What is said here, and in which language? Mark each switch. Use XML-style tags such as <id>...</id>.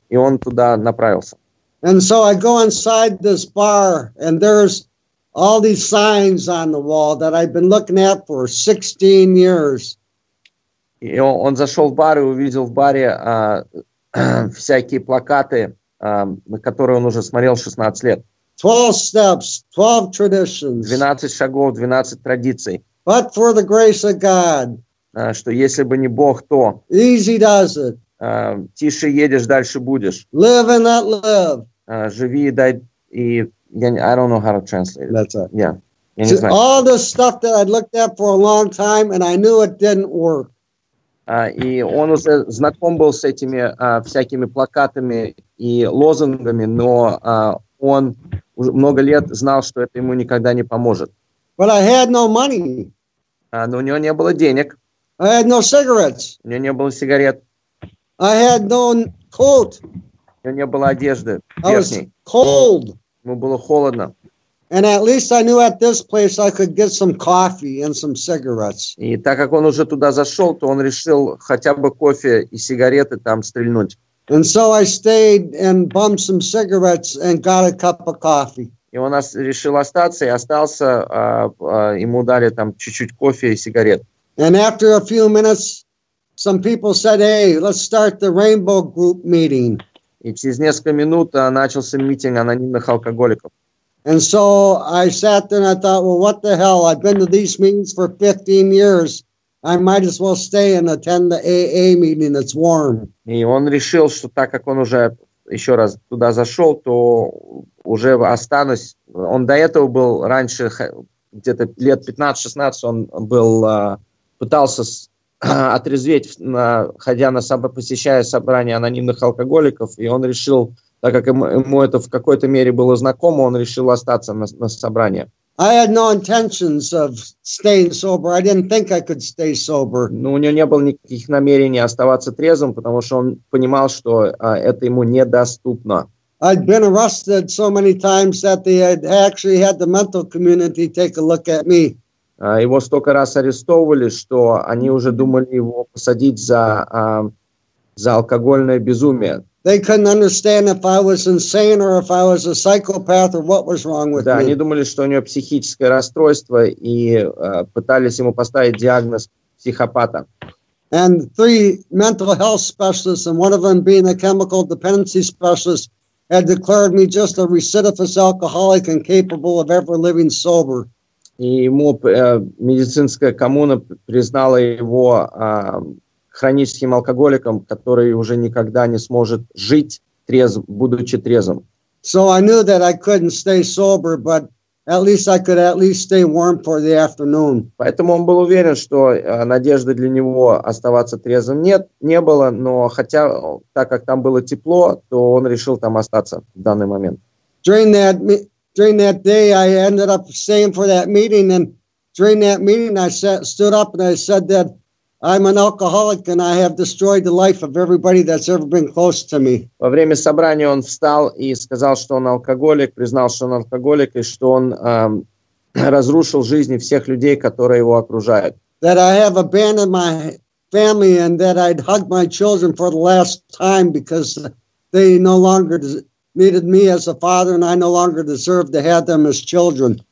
<ru>И он туда направился.</ru> <en>And so I go inside this bar, and there's all these signs on the wall that I've been looking at for 16 years.</en> <ru>И он зашел в бар и увидел в баре всякие плакаты, на которые он уже смотрел 16 лет.</ru> <en>12 steps, 12 traditions.</en> <ru>12 шагов, 12 традиций.</ru> <en>But for the grace of God.</en> <ru>Что если бы не Бог, то.</ru> <en>Easy does it.</en> <ru>Тише едешь, дальше будешь.</ru> <en>Live and not live.</en> <ru>Живи и дай, и</ru> <en>I don't know how to translate it. That's it. Yeah. See, all the stuff that I looked at for a long time and I knew it didn't work.</en> <ru>И он уже знаком был с этими всякими плакатами и лозунгами, но он уже много лет знал, что это ему никогда не поможет.</ru> <en>But I had no money.</en> <ru>Но у него не было денег.</ru> <en>I had no cigarettes.</en> <ru>У него не было сигарет.</ru> <en>I had no coat.</en> <ru>У него не было одежды верхней.</ru> <en>I was cold.</en> <ru>Ему было холодно.</ru> <en>And at least I knew at this place I could get some coffee and some cigarettes.</en> <ru>И так как он уже туда зашел, то он решил хотя бы кофе и сигареты там стрельнуть.</ru> <en>And so I stayed and bummed some cigarettes and got a cup of coffee.</en> <ru>И он решил остаться и остался, ему дали там чуть-чуть кофе и сигарет.</ru> <en>And after a few minutes, some people said, hey, let's start the Rainbow Group meeting.</en> <ru>И через несколько минут начался митинг анонимных алкоголиков.</ru> <en>And so I sat there and I thought, well, what the hell? I've been to these meetings for 15 years. I might as well stay and attend the AA meeting. It's warm.</en> <ru>И он решил, что так как он уже еще раз туда зашел, то уже останусь. Он до этого был раньше, где-то лет 15-16, он был, пытался отрезветь, ходя на посещая собрание анонимных алкоголиков, и он решил, так как ему это в какой-то мере было знакомо, он решил остаться на собрании.</ru> <en>I had no intentions of staying sober. I didn't think I could stay sober.</en> <ru>Но у него не было никаких намерений оставаться трезвым, потому что он понимал, что это ему недоступно.</ru> <en>I'd been arrested so many times that they actually had the mental community take a look at me.</en> <ru>Его столько раз арестовывали, что они уже думали его посадить за алкогольное безумие.</ru> <en>They couldn't understand if I was insane or if I was a psychopath or what was wrong with me.</en> <ru>Да, они думали, что у него психическое расстройство, и пытались ему поставить диагноз психопата.</ru> <en>And three mental health specialists, and one of them being a chemical dependency specialist, had declared me just a recidivist alcoholic and capable of ever living sober.</en> <ru>И ему медицинская коммуна признала его хроническим алкоголиком, который уже никогда не сможет жить, будучи трезвым.</ru> <en>So I knew that I couldn't stay sober, but at least I could at least stay warm for the afternoon.</en> <ru>Поэтому он был уверен, что надежды для него оставаться трезвым не было, но хотя, так как там было тепло, то он решил там остаться в данный момент.</ru> <en>During that day, I ended up staying for that meeting, and during that meeting, I stood up and I said that I'm an alcoholic and I have destroyed the life of everybody that's ever been close to me.</en> <ru>Во время собрания он встал и сказал, что он алкоголик, признал, что он алкоголик, и что он разрушил жизни всех людей, которые его окружают.</ru> <en>That I have abandoned my family and that I'd hug my children for the last time because they no longer needed me as a father and I no longer deserved to have them as children.</en>